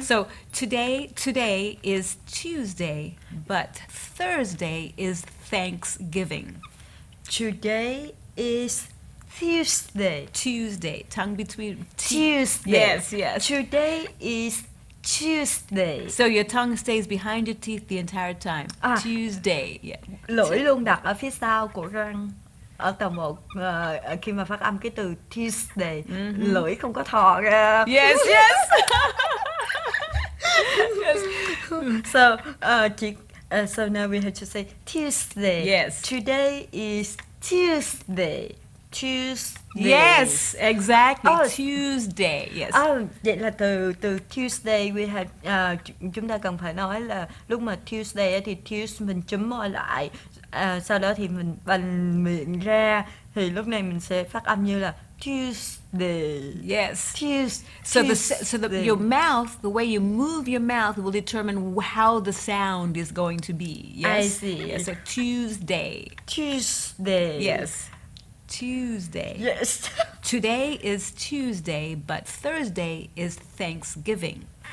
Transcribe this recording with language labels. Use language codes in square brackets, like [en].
[en] So today is Tuesday, but Thursday is Thanksgiving. Today is Tuesday. Tuesday. Tongue between. Tuesday. Yes, yes. Today is Tuesday. So your tongue stays behind your teeth the entire time. Tuesday. Yeah. [vi] Lưỡi luôn đặt ở phía sau của răng. Ở tầng 1 khi mà phát âm cái từ Tuesday, mm-hmm. lưỡi không có thò ra. [en] Yes, yes. yes. So, so now we have to say Tuesday. Yes. Today is Tuesday. Tuesday. Yes, exactly. Oh. Tuesday. Yes. [vi] Oh, vậy là từ Tuesday [en] we had [vi] chúng ta cần phải nói là lúc mà Tuesday thì Tuesday mình chấm môi lại, sau đó thì mình bật miệng ra thì lúc này mình sẽ phát âm như là Tuesday. [en] Yes. Tuesday. So the your mouth, the way you move your mouth will determine how the sound is going to be. Yes. I see. Yes. So Tuesday. Tuesday. Yes. Tuesday. Yes. Today is Tuesday, but Thursday is Thanksgiving.